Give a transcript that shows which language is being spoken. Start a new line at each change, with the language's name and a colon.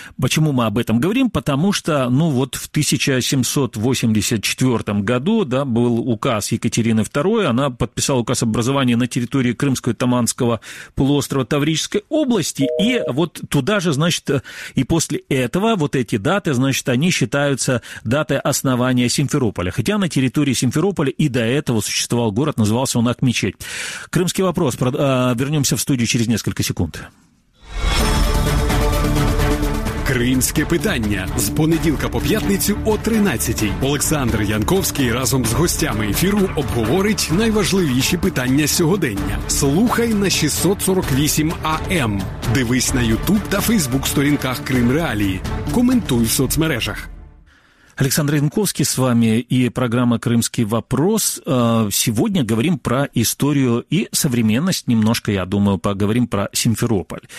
Russian: Почему мы об этом говорим? Потому что, ну вот, в 1784 году, да, был указ Екатерины II, она подписала указ об образовании на территории Крымского и Таманского полуострова Таврической области, и вот туда же, значит, и после этого вот эти даты, значит, они считаются датой основания Симферополя. Хотя на территории Симферополя и до этого существовал город, назывался он Ахмечеть. Крымский вопрос. Вернемся в студию через несколько секунд.
Ukrainian: Крымське питання. З понеділка по п'ятницю о 13:00. Олександр Янковський разом з гостями ефіру обговорить найважливіші питання сьогодення. Слухай на 648 АМ. Дивись на YouTube та Facebook сторінках Крим Реалії. Коментуй в соцмережах.
Russian: Александр Янковский с вами и программа «Крымский вопрос». Сегодня говорим про историю и современность немножко, я думаю, поговорим про Симферополь.